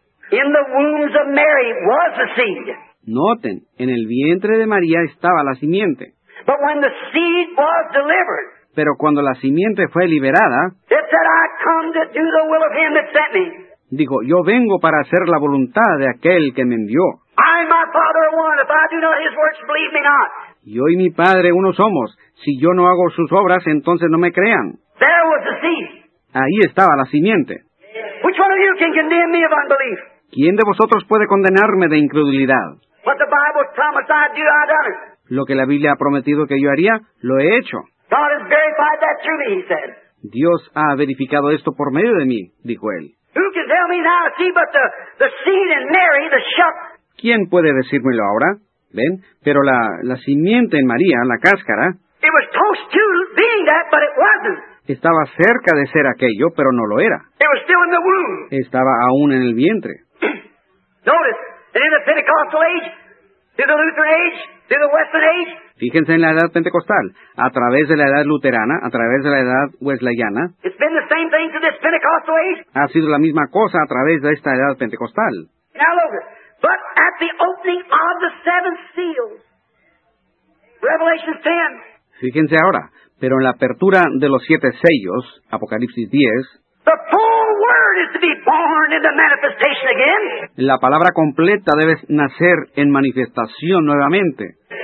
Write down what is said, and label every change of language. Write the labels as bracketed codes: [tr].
[en] In the wombs of Mary was the seed. [es] Noten, en el vientre de María estaba la simiente. [en] But when the seed was delivered, [es] pero cuando la simiente fue liberada, [en] it said, I come to do the will of him that sent me. [es] Dijo, yo vengo para hacer la voluntad de aquel que me envió. [en] I and my father are one. If I do not his works, believe me not. [es] Yo y mi padre uno somos. Si yo no hago sus obras, entonces no me crean. [en] There was the seed. [es] Ahí estaba la simiente. [en] Which one of you can condemn me of unbelief? [es] ¿Quién de vosotros puede condenarme de incredulidad? [en] What the Bible promised I do, I've done it. [es] Lo que la Biblia ha prometido que yo haría, lo he hecho. [en] God has verified that through me, he said. [es] Dios ha verificado esto por medio de mí, dijo él. [en] Who can tell me now, see, but the seed in Mary, the shuck. [es] ¿Quién puede decírmelo ahora? ¿Ven? Pero la simiente en María, la cáscara. [en] It was close to being that, but it wasn't. [es] Estaba cerca de ser aquello, pero no lo era. [en] It was still in the womb. [es] Estaba aún en el vientre. [en] Notice that in the Pentecostal age, in the Lutheran age, in the Western age. [es] Fíjense en la edad pentecostal, a través de la edad luterana, a través de la edad wesleyana. [en] It's been the same thing to this Pentecostal age. [es] Ha sido la misma cosa a través de esta edad pentecostal. [en] Now look, but at the opening of the seventh seal, Revelation 10. [es] Fíjense ahora, pero en la apertura de los siete sellos, Apocalipsis 10. [en] The full word is to be born in the manifestation again. [es] La palabra completa debe nacer en manifestación nuevamente.